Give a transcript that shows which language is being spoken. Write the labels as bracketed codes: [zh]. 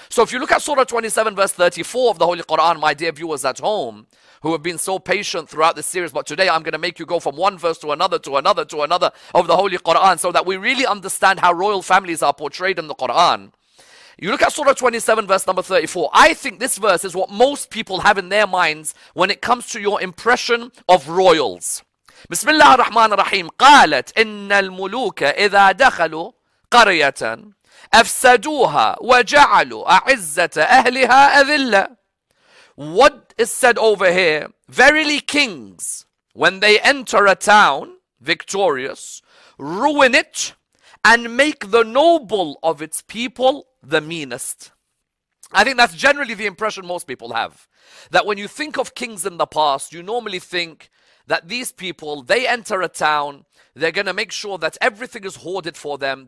[en] So if you look at Surah 27 verse 34 of the Holy Quran, my dear viewers at home, who have been so patient throughout this series, but today I'm going to make you go from one verse to another, to another, to another of the Holy Quran, so that we really understand how royal families are portrayed in the Quran. You look at Surah 27 verse number 34. I think this verse is what most people have in their minds when it comes to your impression of royals. [ar] بسم الله الرحمن الرحيم قالت إن الملوك إذا دخلوا قرية أفسدوها وجعلوا أعزة أهلها أذلة. [en] What is said over here? Verily kings, when they enter a town victorious, ruin it and make the noble of its people the meanest. I think that's generally the impression most people have. That when you think of kings in the past, you normally think that these people, they enter a town, they're going to make sure that everything is hoarded for them.